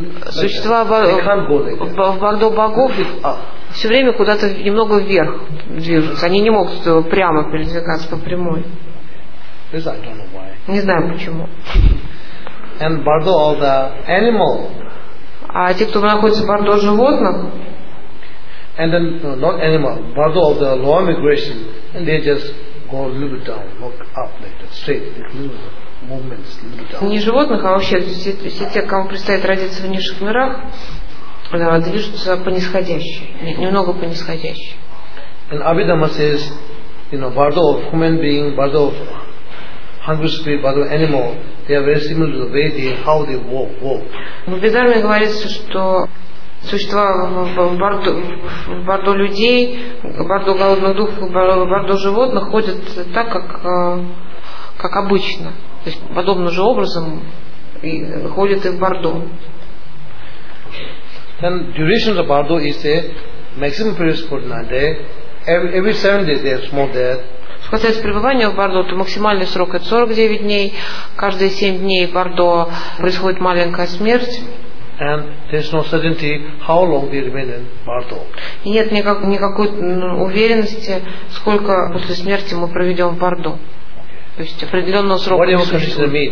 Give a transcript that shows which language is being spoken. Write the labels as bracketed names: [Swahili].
[Russian] Существа в Бардо богов все время куда-то немного вверх движутся, они не могут прямо передвигаться по прямой. Не знаю почему. [English] And Bardo all the animal. [Russian] А те, кто находится в Бардо животных? [English] And then not animal, Bardo of the lower migration, and they just go a little bit down, look up like that, straight, like little movements, little down. [Russian] Не животных, а вообще все те, кому предстоит родиться в низших мирах, движутся по нисходящей, немного по нисходящей. [English] And Abhidhamma says, you know, Bardo of human being, Bardo of hungry spirit, Bardo of animal. They are very similar to the way they, how they walk. [Russian] В Абхидхарме говорится, что существа в Бардо людей, в Бардо голодных духов, в Бардо животных ходят так, как обычно. То есть подобным же образом ходят и в Бардо. [English] Then duration of Бардо is a maximum period for 9 days. Every 7 days they are small dead. [Russian] Что касается пребывания в Бардо, то максимальный срок это 49 дней. Каждые 7 дней в Бардо происходит маленькая смерть. [English] And there's no certainty how long they remain in Бардо. [Russian] И нет никакой уверенности, сколько после смерти мы проведем в Бардо. [English] Okay. [Russian] то есть определенного срока не существует.